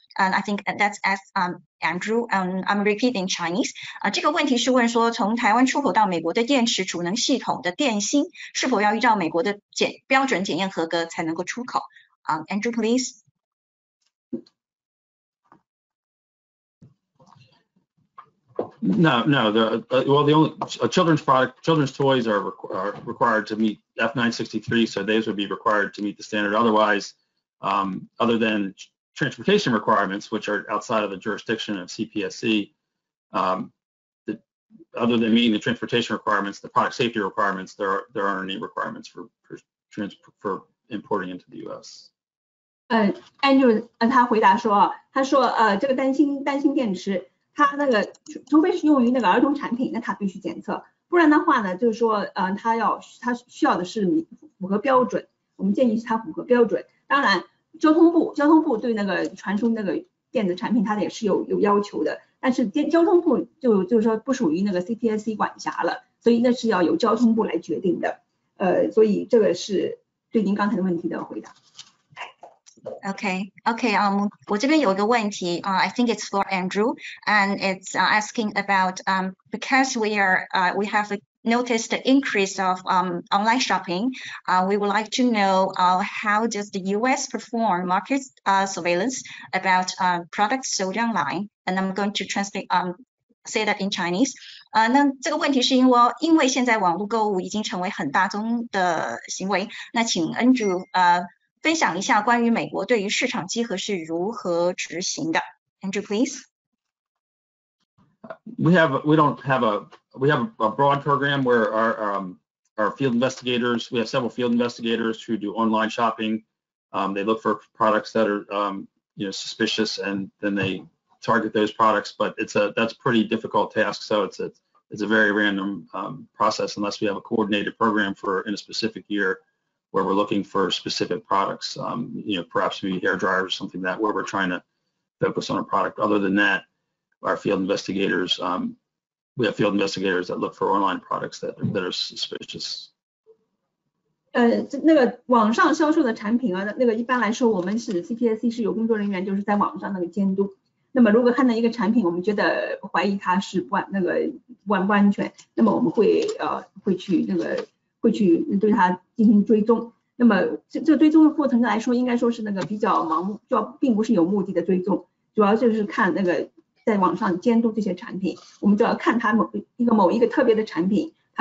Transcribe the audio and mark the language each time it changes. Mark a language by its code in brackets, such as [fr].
[en] And I think that's Andrew, I'm repeating Chinese. [zh] 这个问题是问说从台湾出口到美国的电池储能系统的电芯是否要依照美国的标准检验合格才能够出口。 [en] Andrew, please. No. Children's toys are required to meet F963, so those would be required to meet the standard. Otherwise, other than transportation requirements, which are outside of the jurisdiction of CPSC, other than meeting the transportation requirements, the product safety requirements, there aren't any requirements for importing into the U.S. [zh] Andrew, 他回答说，他说，这个担心电池。它那个除非是用于那个儿童产品，那它必须检测，不然的话呢，就是说，它需要的是符合标准，我们建议它符合标准。当然，交通部对那个传输那个电子产品，它也是有要求的，但是交通部就是说不属于那个 CPSC 管辖了，所以那是要由交通部来决定的。所以这个是对您刚才的问题的回答。 [en] Okay, [zh] 我这边有个问题, [en] I think it's for Andrew, and it's asking about, because we have noticed the increase of online shopping, we would like to know how does the U.S. perform market surveillance about products sold online, and I'm going to translate, say that in Chinese. [zh] 那这个问题是因为现在网络购物已经成为很大宗的行为，那请 Andrew, 分享一下关于美国对于市场稽核是如何执行的。 [en] Andrew, please. We have a broad program where our field investigators, we have several field investigators who do online shopping. They look for products that are suspicious and then they target those products, but that's a pretty difficult task. So it's it's a very random process unless we have a coordinated program for in a specific year where we're looking for specific products, perhaps maybe hair dryers or something like that, where we're trying to focus on a product. Other than that, our field investigators, we have field investigators that look for online products that are suspicious. [zh] 那个网上销售的产品啊，那个一般来说我们是 CPSC 是有工作人员就是在网上那个监督，那么如果看到一个产品，我们觉得怀疑它是不安全，那么我们会去对它进行追踪，那么这追踪的过程来说，应该说是那个比较盲目，就并不是有目的的追踪，主要就是看那个在网上监督这些产品，我们就要看它某一个特别的产品。